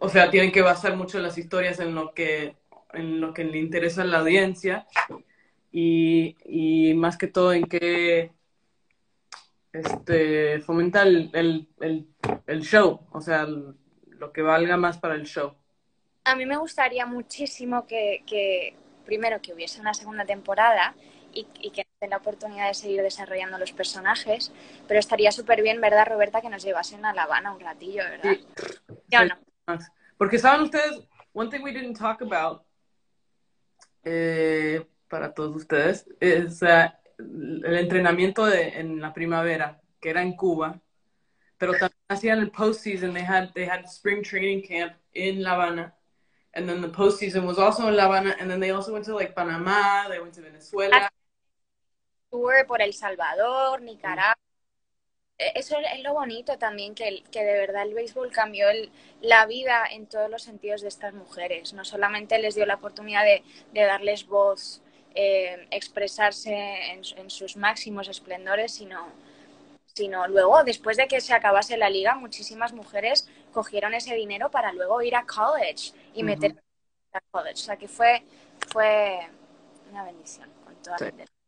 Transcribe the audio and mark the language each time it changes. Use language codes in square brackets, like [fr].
[es] tienen que basar mucho las historias en lo que le interesa a la audiencia y más que todo en que fomenta el show, o sea, lo que valga más para el show. A mí me gustaría muchísimo que primero que hubiese una segunda temporada y que den la oportunidad de seguir desarrollando los personajes, pero estaría súper bien, ¿verdad, Roberta, que nos llevasen a La Habana un ratillo, ¿verdad? Sí. ¿Ya sí, o no? Porque, ¿saben ustedes? [en] One thing we didn't talk about, [es] para todos ustedes, es el entrenamiento en la primavera, que era en Cuba, pero también hacían el postseason, [en] they had spring training camp in La Habana, and then the postseason was also in La Habana, and then they also went to, like, Panamá, they went to Venezuela. [es] Tour por El Salvador, Nicaragua. Eso es lo bonito también, que de verdad el béisbol cambió la vida en todos los sentidos de estas mujeres. No solamente les dio la oportunidad de darles voz, expresarse en sus máximos esplendores, sino luego, después de que se acabase la liga, muchísimas mujeres cogieron ese dinero para luego ir a college y meterse a college. O sea que fue una bendición con toda la gente.